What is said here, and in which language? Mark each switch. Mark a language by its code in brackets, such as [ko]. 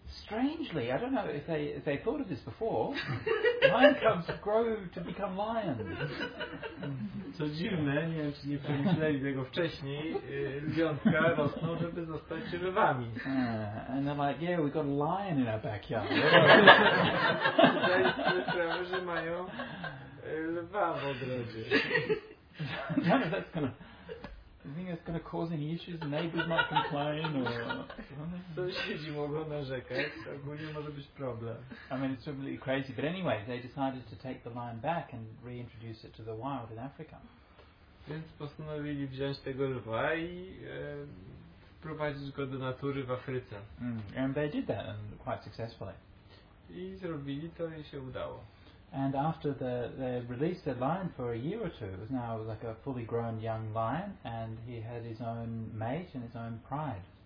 [en] strangely, I don't know if they thought of this before, lion cubs grow to become lions. [pl] Co dziwne, nie wiem, czy nie przemyśleli tego wcześniej, lwiątka rosną, żeby zostać lwami. [en] And they're like, yeah, we got a lion in our backyard. [pl] Tutaj słyszałem, że mają lwa w ogrodzie. [en] That's kind of... Do you think that's going to cause any issues? Neighbors might complain or... [pl] Sąsiedzi mogą narzekać, ogólnie może być problem. [en] I mean, it's absolutely crazy, but anyway, they decided to take the lion back and reintroduce it to the wild in Africa. [pl] Więc postanowili wziąć tego lwa i wprowadzić go do natury w Afryce. [en] And they did that, and quite successfully. [pl] I zrobili to i się udało. [en] And after they released their lion for a year or two, it was now like a fully grown young lion, and he had his own mate and his own pride.